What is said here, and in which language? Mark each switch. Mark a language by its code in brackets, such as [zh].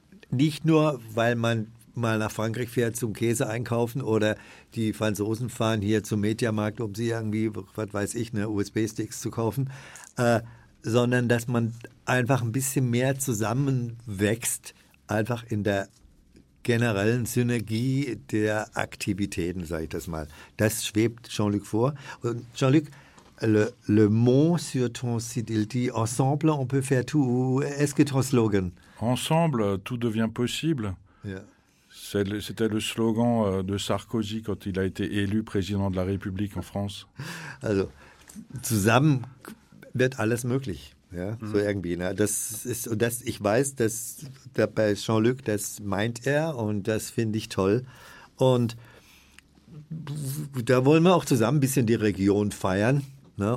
[de] Nicht nur, weil man mal nach Frankreich fährt zum Käse einkaufen oder die Franzosen fahren hier zum Mediamarkt, um sie irgendwie, was weiß ich, eine USB-Sticks zu kaufen, sondern dass man einfach ein bisschen mehr zusammenwächst, einfach in der generellen Synergie der Aktivitäten, sage ich das mal. Das schwebt Jean-Luc vor. Und Jean-Luc, [fr] le mot sur ton site, il dit ensemble on peut faire tout, est-ce que ton slogan? Ensemble, tout devient possible. Yeah. C'était le slogan de Sarkozy quand il a été élu président de la République en France. [de] Also, zusammen wird alles möglich. Ja? Mm-hmm. So irgendwie. Ne? Das ist, das, ich weiß, dass bei Jean-Luc, das meint er und das finde ich toll. Und da wollen wir auch zusammen ein bisschen die Region feiern, ne?